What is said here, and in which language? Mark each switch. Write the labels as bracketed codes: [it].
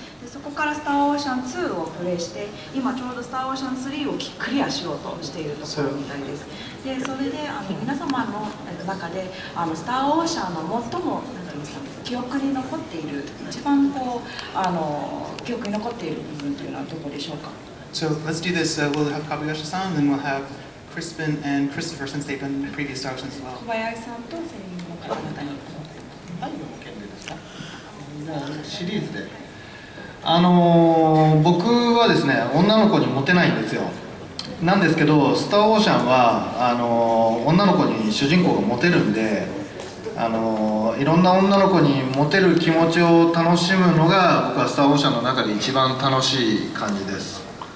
[ja] そこからスターオーシャン2をプレイして、今ちょうどスターオーシャン3をクリアしようとしているところみたいです。で、それで皆様の中でスターオーシャンの最も記憶に残っている、一番こう記憶に残っている部分というのはどこでしょうか。 [en] So let's do this. We'll have Kobayashi-san, and then we'll have Crispin and Christopher, since they've been previous Star Ocean as well. [ja] 小林さんと声優の方々に。はい、権利ですか。シリーズで僕はですね、女の子にモテないんですよ。なんですけど、スターオーシャンは女の子に主人公がモテるんで、いろんな女の子にモテる気持ちを楽しむのが、僕はスターオーシャンの中で一番楽しい感じです。